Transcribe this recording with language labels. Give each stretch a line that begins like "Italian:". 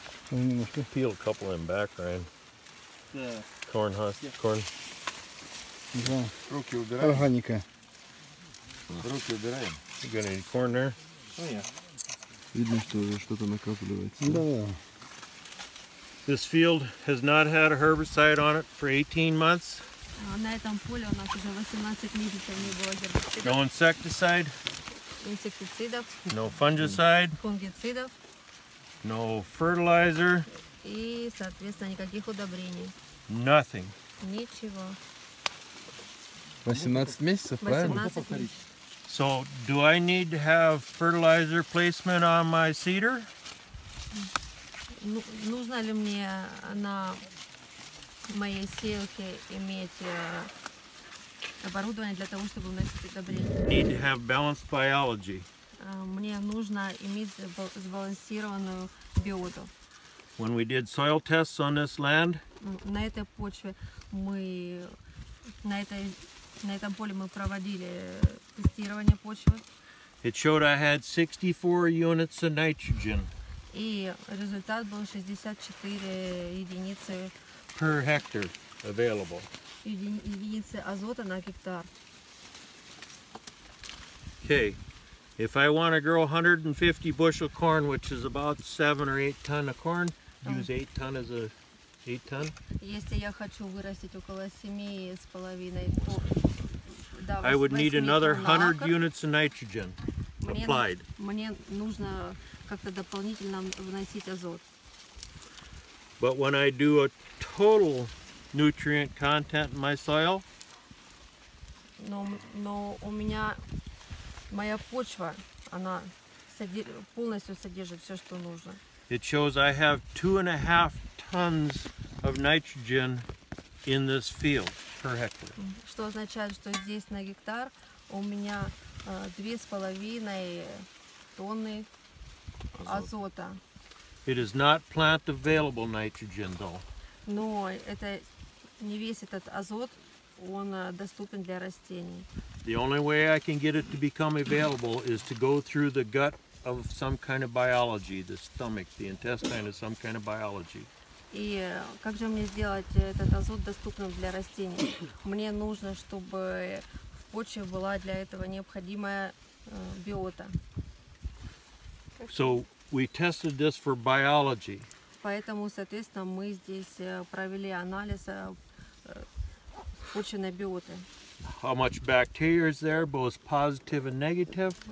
Russian: Ну, немножко.
English: Peel a couple in back, Ryan.
Russian: Да.
English: Corn husk, corn.
Russian: Да. Руки убираем. Органика. Руки убираем.
English: You got any corn there? Oh, yeah.
Russian: Видно, что уже что-то накапливается. Да.
English: This field has not had a herbicide on it for 18 months.
Russian: На этом поле у нас уже 18 месяцев не было гербицидов.
English: No insecticide.
Russian: Инсектицидов.
English: No fungicide.
Russian: Фунгицидов.
English: No fertilizer.
Russian: И, соответственно, никаких удобрений.
English: Nothing.
Russian: Ничего. 18 месяцев, правильно? 18 месяцев.
English: So, do I need to have fertilizer placement on my cedar?
Russian: Нужно ли мне на моей сеялке иметь оборудование для того, чтобы вносить удобрения.
English: Need to have balanced biology.
Russian: Мне нужно иметь сбалансированную биоту.
English: When we did soil tests on this land,
Russian: на этой почве на этом поле мы проводили тестирование почвы.
English: It showed I had 64 units of nitrogen.
Russian: И результат был 64 единицы
English: per hectare available.
Russian: Единицы азота на гектар.
English: Okay. If I want to grow 150 bushel corn, which is about 7 or 8 ton of corn, use 8 ton as a 8 ton.
Russian: Если я хочу вырастить около 7,5 то
English: I would need another 100 units of nitrogen applied.
Russian: Мне нужно как-то дополнительно вносить азот.
English: But when I do a total nutrient content in my soil,
Russian: но у меня моя почва, она полностью содержит все, что нужно.
English: It shows I have 2.5 tons of nitrogen in this field per hectare.
Russian: Что означает, что здесь на гектар у меня 2.5 тонны азота.
English: It is not plant available nitrogen, though.
Russian: Но это не весь этот азот, он доступен для растений.
English: The only way I can get it to become available is to go through the gut of some kind of biology, the stomach, the intestine is some kind of biology.
Russian: И как же мне сделать этот азот доступным для растений? Мне нужно, чтобы в почве была для этого необходимая биота.
English: So we tested this for biology.
Russian: Поэтому, соответственно, мы здесь провели анализ почвенной биоты.
English: How much bacteria is there, both positive and negative?